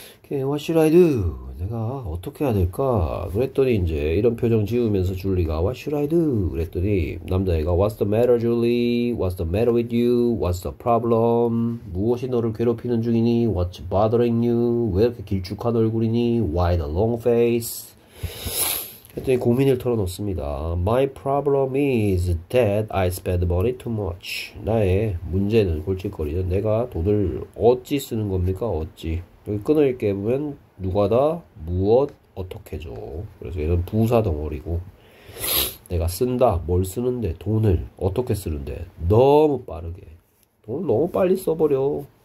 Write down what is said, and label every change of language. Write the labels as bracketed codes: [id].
[en] What should I do? [ko] 내가 어떻게 해야 될까? 그랬더니 이제 이런 표정 지우면서 줄리가 What should I do? 그랬더니 남자애가 [en] What's the matter, Julie? What's the matter with you? What's the problem? [ko] 무엇이 너를 괴롭히는 중이니? [en] What's bothering you? [ko] 왜 이렇게 길쭉한 얼굴이니? [en] Why the long face? [ko] 그랬더니 고민을 털어놓습니다. [en] My problem is that I spend money too much. [ko] 나의 문제는 골칫거리는 내가 돈을 어찌 쓰는 겁니까? 어찌? 여기 끊어 읽게 보면 누가다 무엇 어떻게죠. 그래서 얘는 부사 덩어리고 내가 쓴다 뭘 쓰는데 돈을 어떻게 쓰는데 너무 빠르게 돈을 너무 빨리 써버려.